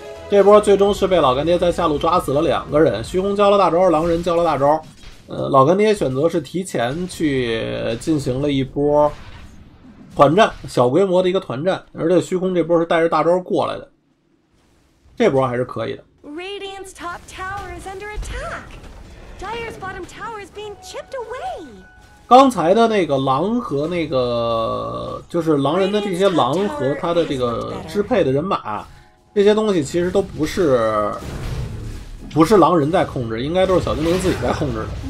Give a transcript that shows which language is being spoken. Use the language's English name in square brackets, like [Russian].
[Chinese] 这波最终是被老干爹在下路抓死了两个人，虚空交了大招，狼人交了大招，老干爹选择是提前去进行了一波团战，小规模的一个团战，而且虚空这波是带着大招过来的，这波还是可以的。 [English] Radiant's top tower is under attack. Dire's bottom tower is being chipped away. [Chinese] 刚才的那个狼和那个就是狼人的这些狼和他的这个支配的人马，这些东西其实都不是狼人在控制，应该都是小精灵自己在控制的。